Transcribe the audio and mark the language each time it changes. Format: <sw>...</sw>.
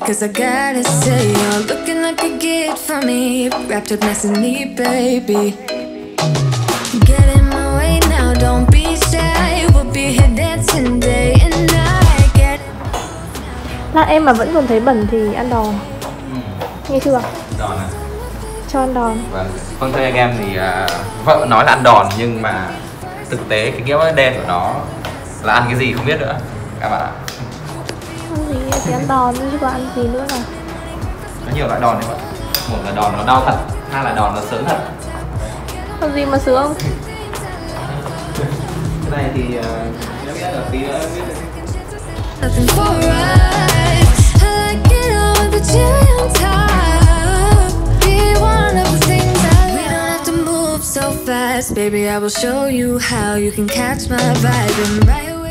<en>Cause I gotta say, you're looking like a gift for me, wrapped up nice and neat, baby. Get in my way now, don't be shy, we'll be here dancing day and night.</en> <vi>Get là em mà vẫn còn thấy bẩn thì ăn đòn. Nghe chưa? Đòn à? Cho ăn đòn. Vâng, thưa anh em thì vợ nói là ăn đòn nhưng mà thực tế cái nghĩa đen của nó là ăn cái gì không biết nữa các bạn ạ. Ăn gì thì ăn đòn chứ có ăn gì nữa mà. Có nhiều loại đòn đấy bạn. Một là đòn nó đau thật, hai là đòn nó sướng thật. Có gì mà sướng? Cái này thì em biết là tí nữa em biết được.</vi> <en>Nothing for us. I like it all with the chill time. Be one of the things I we don't have to move so fast. Baby, I will show you how you can catch my vibe. And right</en>